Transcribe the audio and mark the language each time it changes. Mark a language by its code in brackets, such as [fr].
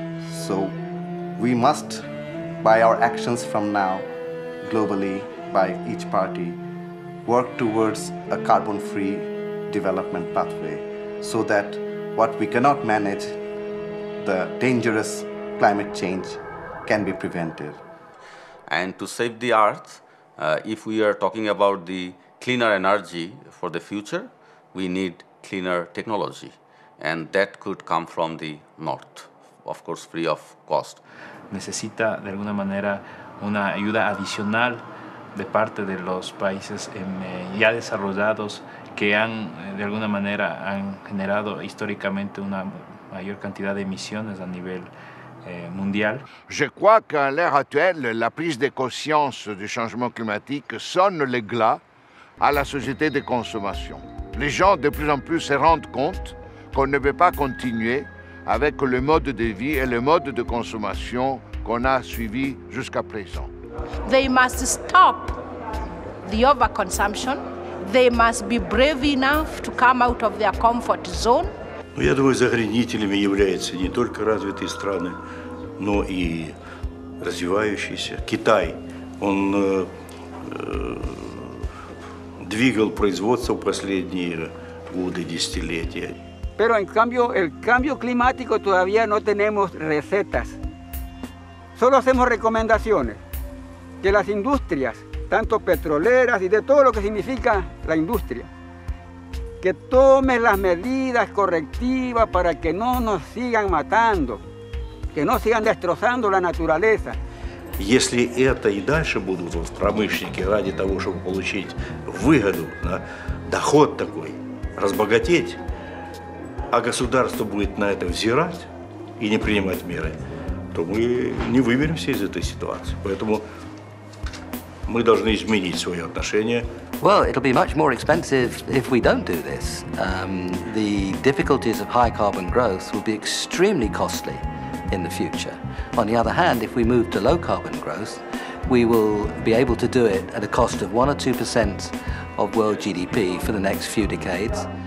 [en] So we must, by our actions from now, globally, by each party, work towards a carbon-free development pathway so that what we cannot manage, the dangerous climate change, can be prevented. And to save the Earth, if we are talking about the cleaner energy for the future, we need cleaner technology. And that could come from the North, of course, free of cost. [es] Necesita, de alguna manera, una ayuda adicional de parte de los países ya desarrollados que han, de alguna manera, han generado históricamente una mayor cantidad de emisiones a nivel mundial. [fr] Je crois qu'à l'heure actuelle, la prise de conscience du changement climatique sonne le glas à la société de consommation. Les gens, de plus en plus, se rendent compte qu'on ne peut pas continuer avec le mode de vie et le mode de consommation qu'on a suivi jusqu'à présent. [en] They must stop the overconsumption. They must be brave enough to come out of their comfort zone. [ru] Ну, я думаю, загрязнителями являются не только развитые страны, но и развивающиеся. Китай, он двигал производство в последние годы, десятилетия. [es] Pero en cambio, el cambio climático todavía no tenemos recetas. Solo hacemos recomendaciones que las industrias, tanto petroleras y de todo lo que significa la industria, que tomen las medidas correctivas para que no nos sigan matando, que no sigan destrozando la naturaleza. [ru] Если это и дальше будут промышленники ради того, чтобы получить выгоду, да, доход такой, разбогатеть, а государство будет на это взирать и не принимать меры, то мы не выберемся из этой ситуации. Поэтому мы должны изменить свое отношение. [en] Well, it'll be much more expensive if we don't do this. The difficulties of high carbon growth will be extremely costly in the future. On the other hand, if we move to low carbon growth, we will be able to do it at a cost of 1 or 2% of world GDP for the next few decades.